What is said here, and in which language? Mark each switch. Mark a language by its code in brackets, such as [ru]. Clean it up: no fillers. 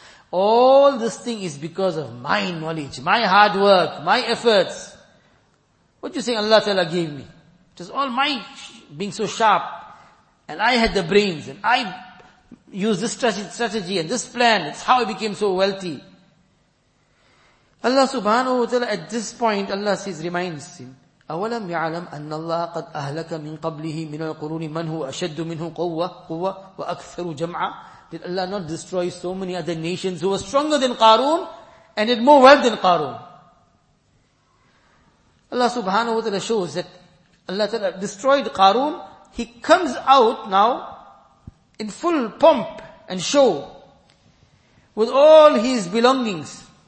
[en] All this thing is because of my knowledge, my hard work, my efforts. What do you say Allah Ta'ala gave me? It was all my being so sharp, and I had the brains, and I used this strategy and this plan. It's how I became so wealthy. Allah subhanahu wa ta'ala, at this point, Allah says, reminds him, [ar] أَوَلَمْ يَعْلَمْ أَنَّ اللَّهَ قَدْ أَهْلَكَ مِنْ قَبْلِهِ مِنَ الْقُرُونِ مَنْ هُوَ أَشَدُّ مِنْهُ قُوَّةً وَأَكْثَرُ جَمْعًا. [en] Did Allah not destroy so many other nations who were stronger than Qarun and had more wealth than Qarun? Allah subhanahu wa ta'ala shows that Allah ta'ala destroyed Qarun. He comes out now in full pomp and show with all his belongings.